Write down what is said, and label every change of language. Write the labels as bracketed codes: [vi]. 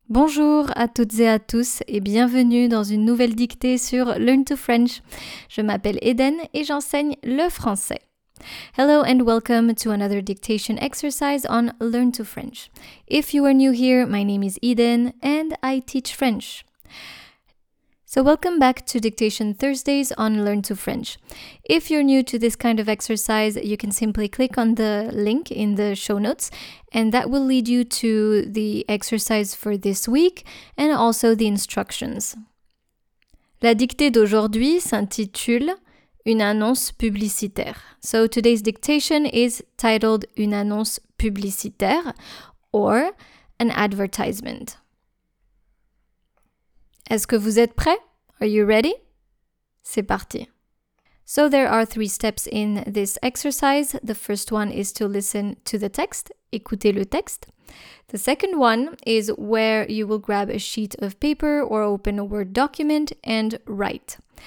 [fr] Bonjour à toutes et à tous et bienvenue dans une nouvelle dictée sur Learn to French. Je m'appelle Eden et j'enseigne le français. [en] Hello and welcome to another dictation exercise on Learn to French. If you are new here, my name is Eden and I teach French. So welcome back to Dictation Thursdays on Learn to French. If you're new to this kind of exercise, you can simply click on the link in the show notes and that will lead you to the exercise for this week and also the instructions. [fr] La dictée d'aujourd'hui s'intitule Une annonce publicitaire. [en] So today's dictation is titled [fr] Une annonce publicitaire [en] or an advertisement. [fr] Est-ce que vous êtes prêt? [en] Are you ready? [fr] C'est parti. [en] So there are three steps in this exercise. The first one is to listen to the text. [fr] Écoutez le texte. [en] The second one is where you will grab a sheet of paper or open a Word document and write.